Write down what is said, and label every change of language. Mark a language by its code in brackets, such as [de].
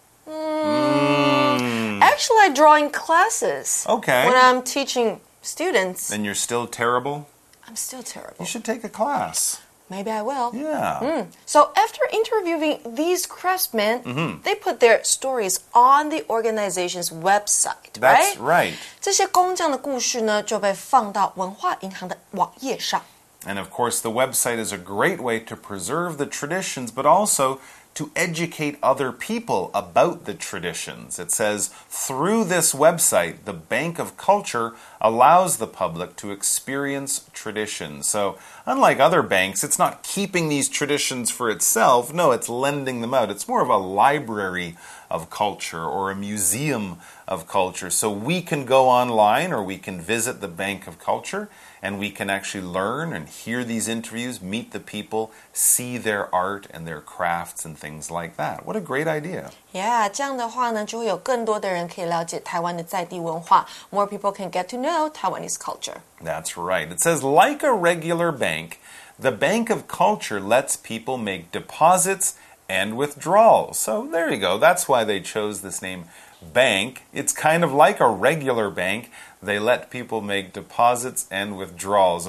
[en] Actually, I draw in classes. Okay. When I'm teaching students. And you're still terrible? I'm still terrible. You should take a class. Maybe I will. Yeah. Mm. So after interviewing these craftsmen, they put their stories on the organization's website, right? That's right. [zh] 这些工匠的故事呢，就被放到文化银行的网页上。 [en] And of course, the website is a great way to preserve the traditions, but also to educate other people about the traditions. It says, through this website, the Bank of Culture allows the public to experience traditions. So, unlike other banks, it's not keeping these traditions for itself. No, it's lending them out. It's more of a library of culture or a museum of culture. So we can go online or we can visit the Bank of Culture and we can actually learn and hear these interviews, meet the people, see their art and their crafts and things like that. What a great idea. [zh] Yeah, 这样的话呢，就会有更多的人可以了解台湾的在地文化。 [en] More people can get to know Taiwanese culture. That's right. It says, like a regular bank, the Bank of Culture lets people make deposits and withdrawals. So there you go. That's why they chose this name, bank. It's kind of like a regular bank. They let people make deposits and withdrawals.